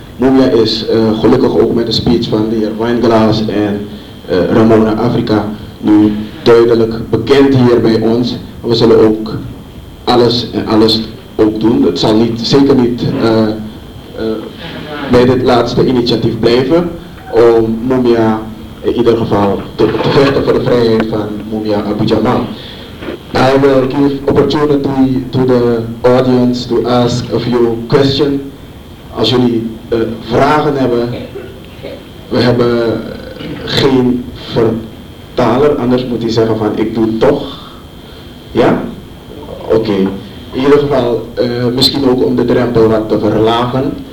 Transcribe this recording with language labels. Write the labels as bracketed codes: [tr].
[nl] Mumia is gelukkig ook met de speech van de heer Wijnglas en Ramona Afrika nu duidelijk bekend hier bij ons. We zullen ook alles ook doen. Het zal niet, zeker niet bij dit laatste initiatief blijven om Mumia in ieder geval te vechten voor de vrijheid van Mumia Abu-Jamal. [en] I will give opportunity to the audience to ask a few questions. [nl] Als jullie vragen hebben, we hebben geen vertaler, anders moet hij zeggen van ik doe het toch. Ja? Oké. In ieder geval, misschien ook om de drempel wat te verlagen.